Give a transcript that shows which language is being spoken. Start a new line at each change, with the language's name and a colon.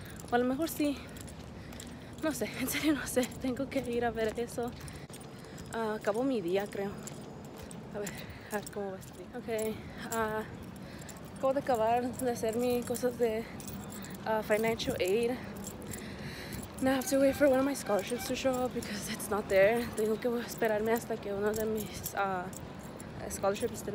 Spanish: O a lo mejor sí, no sé, en serio no sé, tengo que ir a ver eso. Acabo mi día, creo. A ver cómo va este día. Ok, acabo de acabar de hacer mis cosas de financial aid.
English: Now I have to wait for one of my scholarships to show up because it's not there.
Spanish: Tengo que esperarme hasta que uno de mis scholarships esté.